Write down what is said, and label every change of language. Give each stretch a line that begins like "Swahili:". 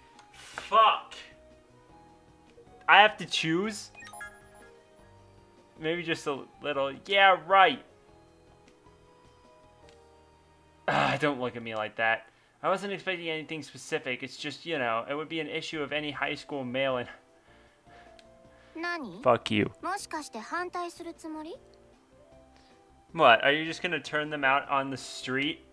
English: Fuck! I have to choose? Maybe just a little. Yeah, right! Don't look at me like that. I wasn't expecting anything specific. It's just, you know, it would be an issue of any high school male and...
Japanese: Nani?
English: Fuck you.
Japanese: もしかして反対するつもり?
English: What? Are you just gonna turn them out on the street?